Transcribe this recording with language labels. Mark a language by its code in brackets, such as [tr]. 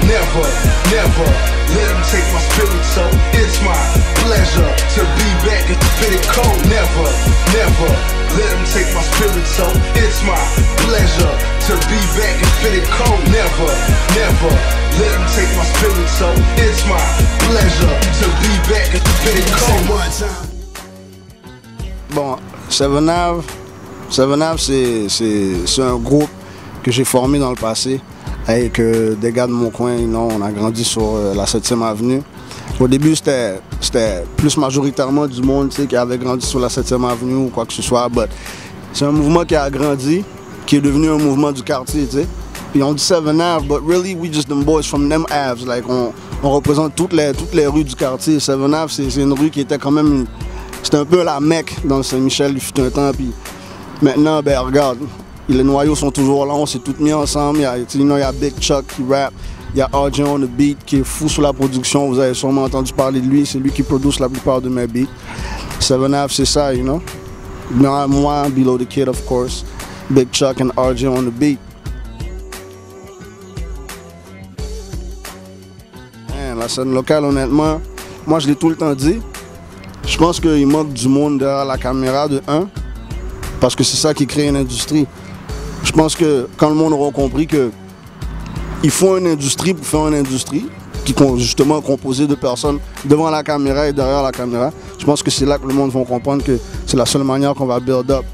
[en] Never, never let them take my spirit, so it's my pleasure to be back and spit it cold. Never, never let them take my spirit, so it's my pleasure to be back and spit it cold. Never, never let them take my spirit, so it's my pleasure to be back and spit it cold. One time. [fr] Bon, 7-9, c'est un groupe que j'ai formé dans le passé avec des gars de mon coin. You know, on a grandi sur la 7e avenue. Au début, c'était plus majoritairement du monde, tu sais, qui avait grandi sur la 7e avenue ou quoi que ce soit. But c'est un mouvement qui a grandi, qui est devenu un mouvement du quartier. Tu sais. Puis on dit 7-9, [en] but really, we just them boys from them Avs. [fr] Like on représente toutes les rues du quartier. 7-9, c'est une rue qui était quand même... C'était un peu la Mecque dans Saint-Michel, il fut un temps, puis maintenant, ben regarde, les noyaux sont toujours là, on s'est tous mis ensemble, il y a Big Chuck qui rap, il y a RJ on the beat qui est fou sur la production, vous avez sûrement entendu parler de lui, c'est lui qui produit la plupart de mes beats. 7-9, c'est ça, you know? Moi, Below the Kid, of course, Big Chuck and RJ on the beat. Man, la scène locale, honnêtement, moi je l'ai tout le temps dit, je pense qu'il manque du monde derrière la caméra de 1, parce que c'est ça qui crée une industrie. Je pense que quand le monde aura compris qu'il faut une industrie pour faire une industrie, qui est justement composée de personnes devant la caméra et derrière la caméra, je pense que c'est là que le monde va comprendre que c'est la seule manière qu'on va build up.